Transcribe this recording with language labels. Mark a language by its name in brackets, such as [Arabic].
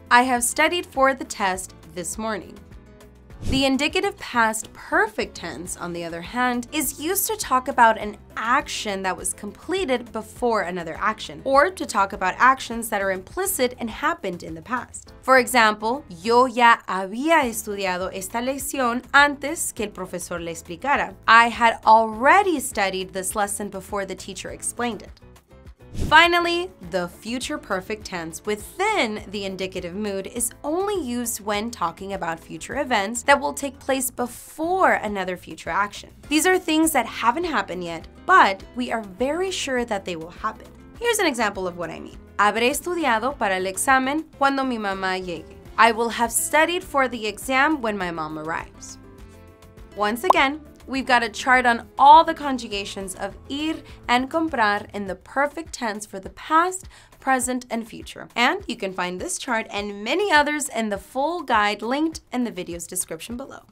[English] I have studied for the test this morning. The indicative past perfect tense, on the other hand, is used to talk about an action that was completed before another action, or to talk about actions that are implicit and happened in the past. For example, [Spanish] yo ya había estudiado esta lección antes que el profesor le explicara. [English] I had already studied this lesson before the teacher explained it. Finally, the future perfect tense within the indicative mood is only used when talking about future events that will take place before another future action. These are things that haven't happened yet, but we are very sure that they will happen. Here's an example of what I mean. [Spanish] Habré estudiado para el examen cuando mi mamá llegue. [English] I will have studied for the exam when my mom arrives. Once again, we've got a chart on all the conjugations of ir and comprar in the perfect tense for the past, present, and future. And you can find this chart and many others in the full guide linked in the video's description below.